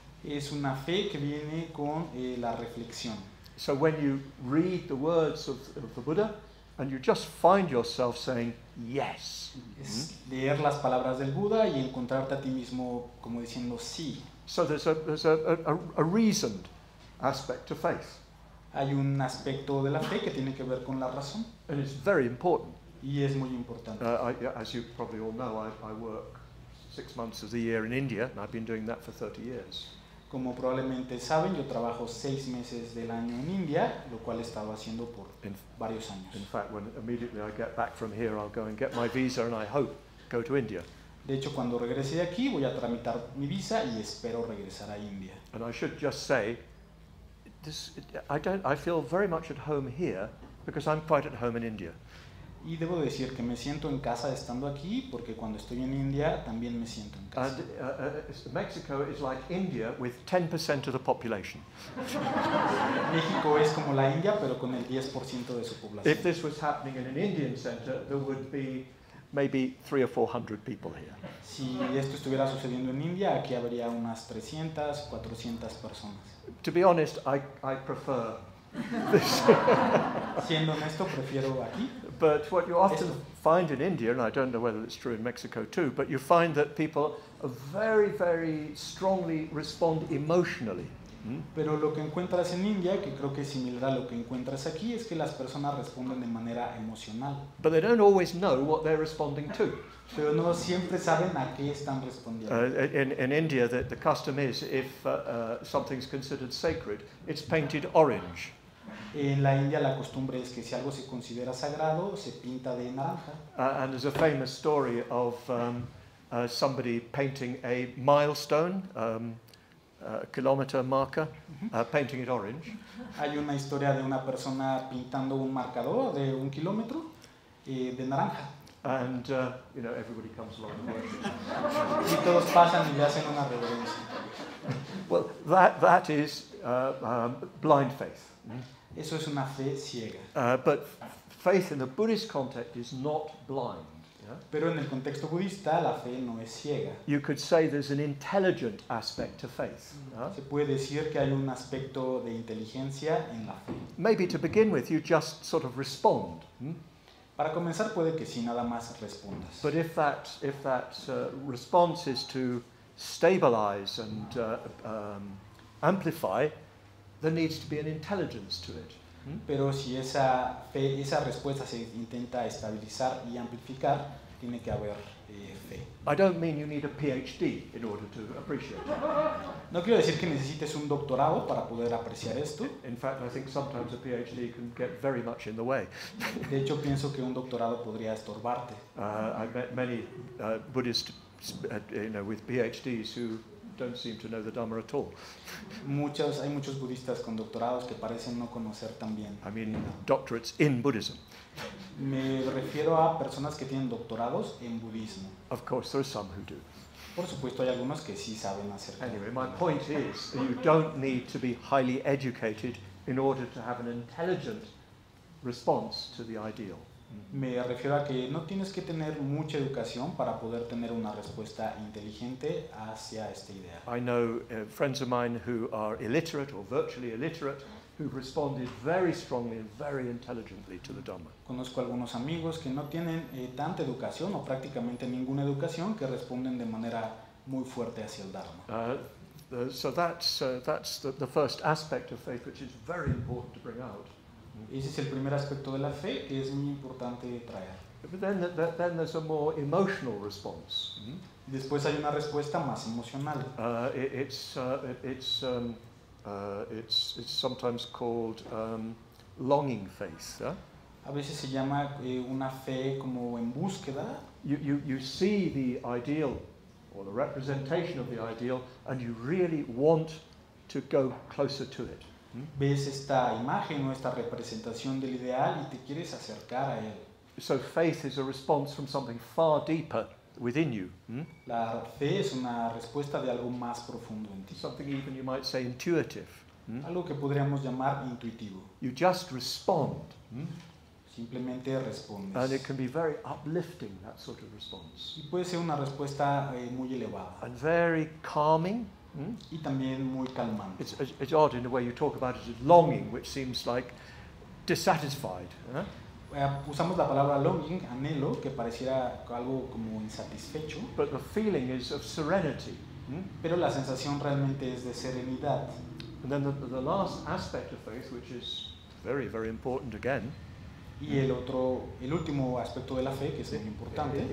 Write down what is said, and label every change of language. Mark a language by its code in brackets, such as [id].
[es] Es una fe que viene con la reflexión. [en] So when you read the words of the Buddha and you just find yourself saying yes. [es] Es leer las palabras del Buda y encontrarte a ti mismo como diciendo sí. [en] So there's a reasoned aspect to faith. [es] Hay un aspecto de la fe que tiene que ver con la razón. [en] And it's very important. [es] Y es muy importante. [en] As you probably all know, I work 6 months of the year in India, and I've been doing that for 30 years. [es] Como probablemente saben, yo trabajo 6 meses del año en India, lo cual he estado haciendo por varios años. [en] In fact, when immediately I get back from here, I'll go and get my visa, and I hope go to India. [es] De hecho, cuando regrese de aquí, voy a tramitar mi visa y espero regresar a India. [en] And I should just say, this, I feel very much at home here because I'm quite at home in India. [es] Y debo decir que me siento en casa estando aquí, porque cuando estoy en India también me siento en casa. [en] Mexico is like India with 10% of the population. [es] México es como la India, pero con el 10% de su población. [en] If this was happening in an Indian center, there would be maybe 300 or 400 people here. [es] Si esto estuviera sucediendo en India, aquí habría unas 300, 400 personas. [en] To be honest, I prefer this. [es] Siendo honesto, prefiero aquí. [en] But what you often find in India, and I don't know whether it's true in Mexico too, but you find that people very, very strongly respond emotionally. [es] Pero lo que encuentras en India, que creo que es similar a lo que encuentras aquí, es que las personas responden de manera emocional. [en] But they don't always know what they're responding to. [es] Pero no siempre saben a qué están respondiendo. [en] In India, the custom is, if something's considered sacred, it's painted orange. [es] En la India la costumbre es que si algo se considera sagrado, se pinta de naranja. [en] And there's a famous story of somebody painting a milestone, kilometer marker, painting it orange. [es] Hay una historia de una persona pintando un marcador de un kilómetro de naranja. [en] And you know, everybody comes along and worships. [es] Y todos pasan y le hacen una reverencia. [en] Well, that is blind faith. [es] Eso es una fe ciega. [en] But faith in the Buddhist context is not blind. [es] Pero en el contexto budista la fe no es ciega. [en] You could say there's an intelligent aspect to faith. [es] Se puede decir que hay un aspecto de inteligencia en la fe. [en] Maybe to begin with you just sort of respond. [es] Para comenzar puede que sí, nada más respondas. [en] But if that response is to stabilize and amplify, there needs to be an intelligence to it. [es] Pero si esa fe, esa respuesta se intenta estabilizar y amplificar, tiene que haber fe. [en] I don't mean you need a PhD in order to appreciate it. [es] No quiero decir que necesites un doctorado para poder apreciar esto. [en] In fact, I think sometimes a PhD can get very much in the way. [es] De hecho, pienso que un doctorado podría estorbarte. [en] I've met many Buddhists, you know, with PhDs who don't seem to know the Dharma at all. [es] Hay muchos budistas con doctorados que parecen no conocer tan bien. [en] I mean, doctorates in Buddhism. [es] Me refiero a personas que tienen doctorados en budismo. [en] Of course, there are some who do. [es] Por supuesto, hay algunos que sí saben hacer. [en] Anyway, my point is, you don't need to be highly educated in order to have an intelligent response to the ideal. [es] Me refiero a que no tienes que tener mucha educación para poder tener una respuesta inteligente hacia esta idea. [en] I know friends of mine who are illiterate or virtually illiterate who responded very strongly and very intelligently to the Dhamma. [es] Conozco algunos amigos que no tienen tanta educación o prácticamente ninguna educación que responden de manera muy fuerte hacia el Dharma. [en] So that's the first aspect of faith which is very important to bring out. [es] Ese es el primer aspecto de la fe que es muy importante traer. [en] But then there's a more emotional response. [es] Después hay una respuesta más emocional. [en] It's sometimes called longing faith. [es] A veces se llama una fe como en búsqueda. [en] You see the ideal or the representation of the ideal and you really want to go closer to it. [es] Ves esta imagen o esta representación del ideal y te quieres acercar a él. [en] So faith is a response from something far deeper within you. [es] La fe es una respuesta de algo más profundo en ti. [en] Something even you might say intuitive. [es] Algo que podríamos llamar intuitivo. [en] You just respond. [es] Simplemente respondes. [en] And it can be very uplifting, that sort of response. [es] Y puede ser una respuesta muy elevada. [en] And very calming. [es] Y también muy calmante. [en] It's odd in the way you talk about it as longing, which seems like dissatisfied. [es] Usamos la palabra longing, anhelo, que pareciera algo como insatisfecho. [en] But the feeling is of serenity. [es] Pero la sensación realmente es de serenidad. [en] And then the last aspect of faith, which is very, very important again. [es] Y el último aspecto de la fe, que es muy importante.